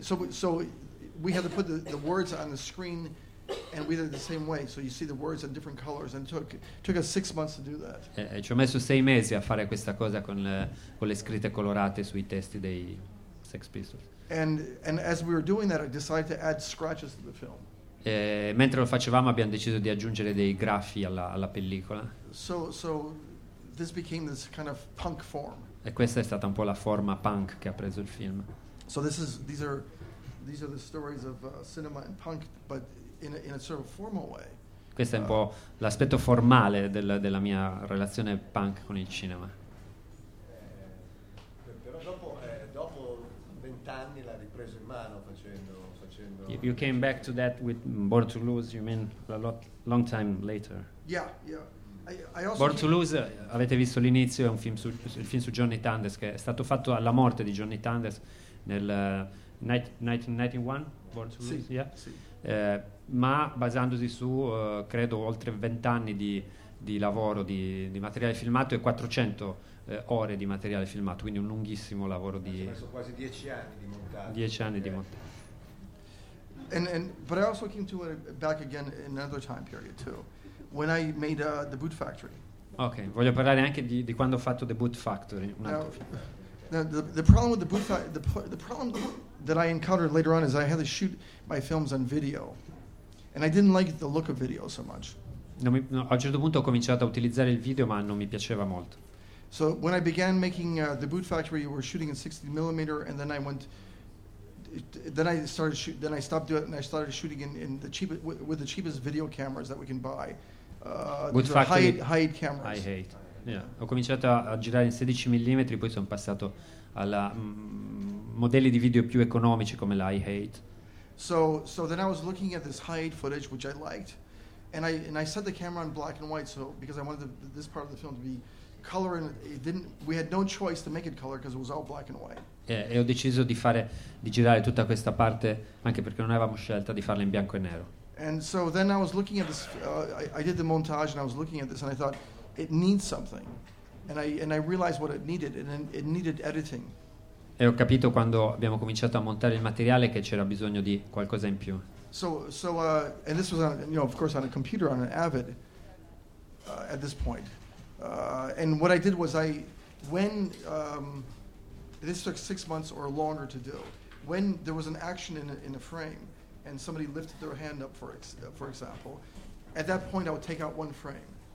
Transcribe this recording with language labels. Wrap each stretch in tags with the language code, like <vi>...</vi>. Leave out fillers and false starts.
<en>So we had to put the words on the screen, and we did it the same way. So you see the words in different colors, and took us 6 months to do that.</en> <it>E ci ho messo 6 mesi a fare questa cosa con le scritte colorate sui testi dei Sex Pistols.</it> <en>And as we were doing that, I decided to add scratches to the film.</en> <it>Mentre lo facevamo, abbiamo deciso di aggiungere dei graffi alla pellicola.</it> <en>So this became this kind of punk form.</en> <it>E questa è stata un po' la forma punk che ha preso il film.</it> <en>So these are the stories of cinema and punk, but in a sort of formal way.</en> <it>Questo è un po' l'aspetto formale della mia relazione punk con il cinema. Però dopo 20 anni l'ha ripreso in mano facendo.</it> <en>You came back to that with Born to Lose. You mean a long time later? Yeah, yeah.</en> <it>Born to Lose, avete visto l'inizio, è un film su Johnny Thunders, che è stato fatto alla morte di Johnny Thunders nel 1991, Born to Lose, sì,</it> <en>yeah.</en> <it>Sì. Ma basandosi su credo oltre 20 anni di lavoro di materiale filmato e 400 ore di materiale filmato, quindi un lunghissimo lavoro. Ci messo quasi 10 anni di montaggio. 10 anni di montaggio.</it> <en>And but I also came to it back again in another time period too, when I made The Boot Factory.</en> <it>Ok, voglio parlare anche di quando ho fatto The Boot Factory, un altro film.</it> <en>The problem with the problem that I encountered later on is I had to shoot my films on video, And I didn't like the look of video so much.</en> <it>A un certo punto ho cominciato a utilizzare il video, ma non mi piaceva molto.</it> <en>So when I began making the Boot Factory, we were shooting in 16mm, and then I went. Then I stopped doing it, and I started shooting with the cheapest video cameras that we can buy. Boot Factory. Hide cameras. I hate. Yeah.</en> <it>Ho cominciato a girare in 16mm, poi sono passato alla modelli di video più economici come la I-Hate.</it> <en>So then I was looking at this Hide footage, which I liked, and I set the camera on black and white, so because I wanted this part of the film to be color, and we had no choice to make it color because it was all black and white.</en> <it>E ho deciso di girare tutta questa parte anche perché non avevamo scelta di farla in bianco e nero.</it> <en>And so then I was looking at this, I did the montage, and I was looking at this, and I thought it needs something, and I realized what it needed, and it needed editing.</en> <it>E ho capito quando abbiamo cominciato a montare il materiale che c'era bisogno di qualcosa in più.</it> <en>And this was on, you know, of course on a computer, on an Avid at this point. And what I did was this took 6 months or longer to do. When there was an action in a frame and somebody lifted their hand up for example, at that point I would take out one frame.</en>